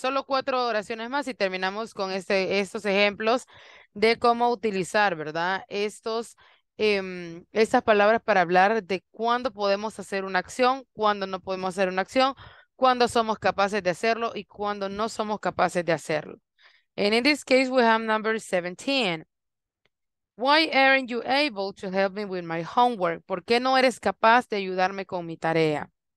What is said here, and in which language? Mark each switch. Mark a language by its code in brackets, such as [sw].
[es] Solo cuatro oraciones más y terminamos con estos ejemplos de cómo utilizar, ¿verdad? Estas palabras para hablar de cuándo podemos hacer una acción, cuándo no podemos hacer una acción, cuándo somos capaces de hacerlo y cuándo no somos capaces de hacerlo. [en] And in this case, we have number 17. Why aren't you able to help me with my homework? [es] ¿Por qué no eres capaz de ayudarme con mi tarea?